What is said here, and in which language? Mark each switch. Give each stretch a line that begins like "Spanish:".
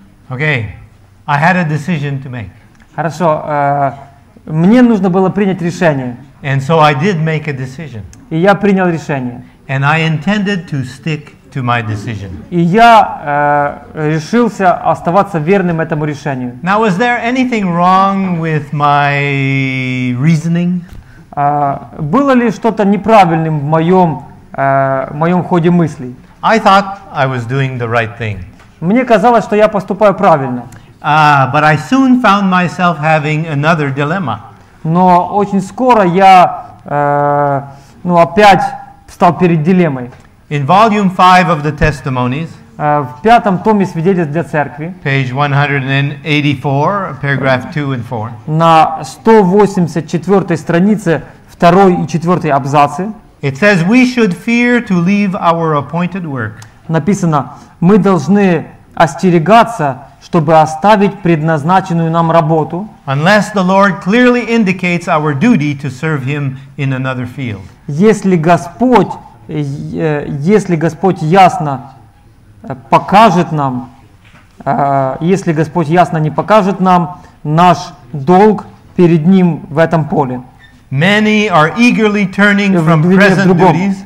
English: Okay, I had a decision to make.
Russian: Хорошо, мне нужно было принять решение.
English: And so I did make a decision.
Russian: И я принял решение.
English: And I intended to stick to my decision.
Russian: И я решился оставаться верным этому решению.
English: Now, was there anything wrong with my reasoning?
Russian: Было ли что-то неправильным в моем ходе мыслей.
English: I thought I was doing the right thing.
Russian: Мне казалось, что я поступаю правильно.
English: But I soon found myself having another dilemma.
Russian: Но очень скоро я опять стал перед дилеммой.
English: In volume 5 of the testimonies,
Russian: в пятом томе свидетельств для церкви,
English: page 184, paragraph 2 and 4,
Russian: на 184 странице, 2 и 4 абзацы,
English: it says we should fear to leave our appointed work.
Russian: Написано, мы должны остерегаться, чтобы оставить предназначенную нам работу.
English: Unless the Lord clearly indicates our duty to serve Him in another field.
Russian: Если Господь ясно покажет нам, если Господь ясно не покажет нам наш долг перед Ним в этом поле.
English: Many are eagerly turning from present duties.